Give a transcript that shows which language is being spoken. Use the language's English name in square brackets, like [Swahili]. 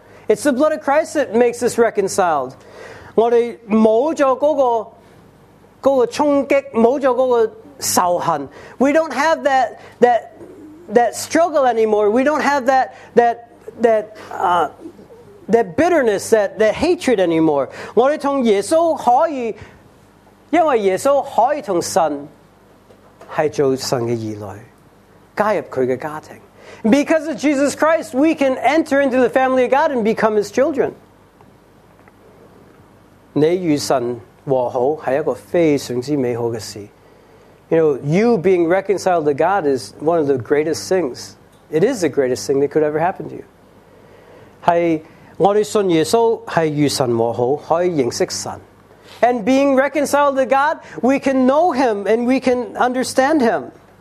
[English] It's the blood of Christ that makes us reconciled. [Cantonese] 我们没有了那个冲击，没有了那个仇恨。 [English] We don't have that struggle anymore. We don't have that bitterness, that hatred anymore. [Cantonese] 我们从耶稣可以，因为耶稣可以从神系做神嘅儿女，加入佢嘅家庭。 [English] Because of Jesus Christ, we can enter into the family of God and become His children. [Cantonese] 你与神和好系一个非常之美好嘅事。 [English] You know, you being reconciled to God is one of the greatest things. It is the greatest thing that could ever happen to you. [Cantonese] 我们信耶稣是与神和好，可以认识神。 [English] And being reconciled to God, we can know Him and we can understand Him.